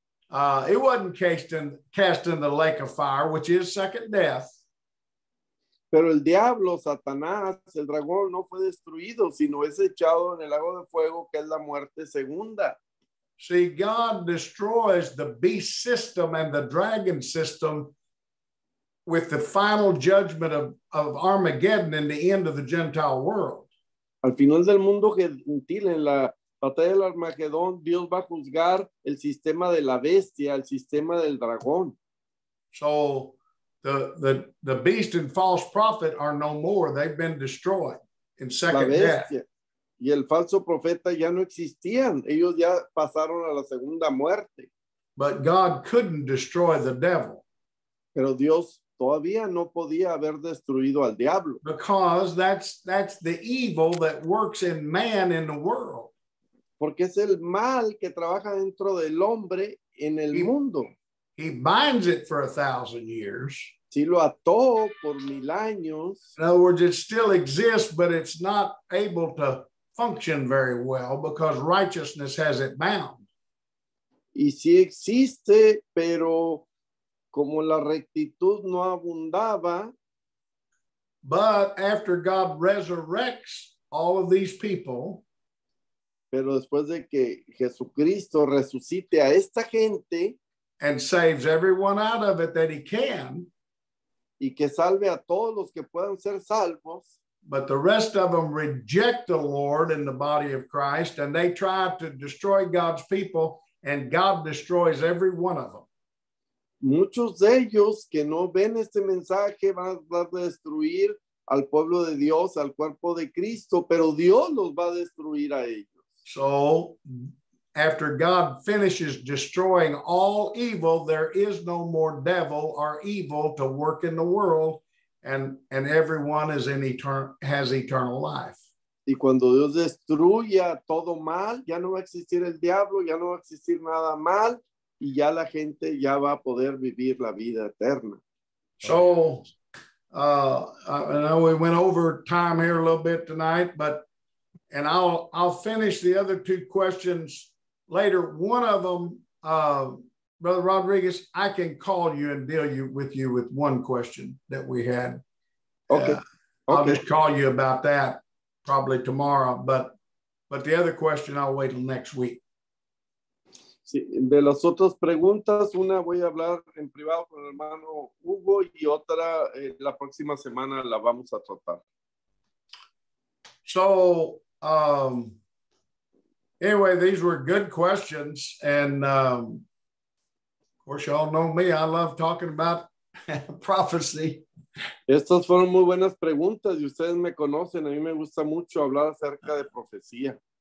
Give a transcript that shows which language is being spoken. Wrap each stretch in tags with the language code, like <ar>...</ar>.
<en>It wasn't cast in the lake of fire, which is second death.</en> <es>Pero el diablo, Satanás, el dragón, no fue destruido, sino es echado en el lago de fuego, que es la muerte segunda.</es> <en>See, God destroys the beast system and the dragon system with the final judgment of Armageddon in the end of the Gentile world.</en> <es>Al final del mundo gentil, en la batalla del Armagedón, Dios va a juzgar el sistema de la bestia, el sistema del dragón.</es> <en>So the beast and false prophet are no more. They've been destroyed in second death.</en> <es>Y el falso profeta ya no existían. Ellos ya pasaron a la segunda muerte.</es> <en>But God couldn't destroy the devil.</en> <es>Pero Dios todavía no podía haber destruido al diablo.</es> <en>Because that's the evil that works in man in the world.</en> <es>Porque es el mal que trabaja dentro del hombre en el mundo.</es> <en>He binds it for 1,000 years.</en> <es>Sí, lo ató por mil años.</es> <en>In other words, it still exists, but it's not able to function very well because righteousness has it bound.</en> <es>Y sí existe, pero como la rectitud no abundaba.</es> <en>But after God resurrects all of these people,</en> <es>pero después de que Jesucristo resucite a esta gente,</es> <en>and saves everyone out of it that he can,</en> <es>y que salve a todos los que puedan ser salvos,</es> <en>but the rest of them reject the Lord in the body of Christ, and they try to destroy God's people, and God destroys every one of them.</en> <es>Muchos de ellos que no ven este mensaje van a destruir al pueblo de Dios, al cuerpo de Cristo, pero Dios los va a destruir a ellos.</es> <en>So, after God finishes destroying all evil, there is no more devil or evil to work in the world and everyone is in has eternal life.</en> <es>Y cuando Dios destruya todo mal, ya no va a existir el diablo, ya no va a existir nada mal, y ya la gente ya va a poder vivir la vida eterna.</es> <en>So, I know we went over time here a little bit tonight, but and I'll finish the other two questions later. One of them, Brother Rodriguez, I can call you and deal you with you with one question that we had. Okay. I'll just call you about that probably tomorrow, but the other question I'll wait till next week.</en> <es>Sí, de las otras preguntas, una voy a hablar en privado con el hermano Hugo y otra la próxima semana la vamos a tratar.</es> <en>So, anyway, these were good questions, and of course, y'all know me. I love talking about prophecy.</en> <es>Estas fueron muy buenas preguntas y ustedes me conocen. A mí me gusta mucho hablar acerca de profecía.</es>